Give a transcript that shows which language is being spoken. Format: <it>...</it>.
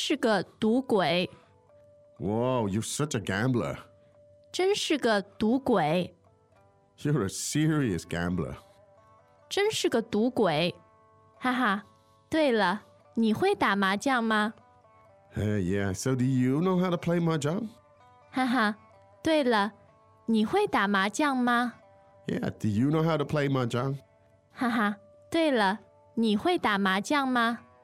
<zh>和朋友们打了一个晚上的麻将。真是个赌鬼。Wow,</zh> <en>you're such a gambler.</en> <zh>真是个赌鬼。You're</zh> <en>a serious gambler.</en> <zh>真是个赌鬼。哈哈,对了,你会打麻将吗?</zh> <en>Hey, yeah, so do you know how to play mahjong?</en> <zh>哈哈,对了。你会打麻将吗?</zh> <en>Yeah, do you know how to play mahjong?</en> <zh>哈哈,对了,你会打麻将吗?</zh>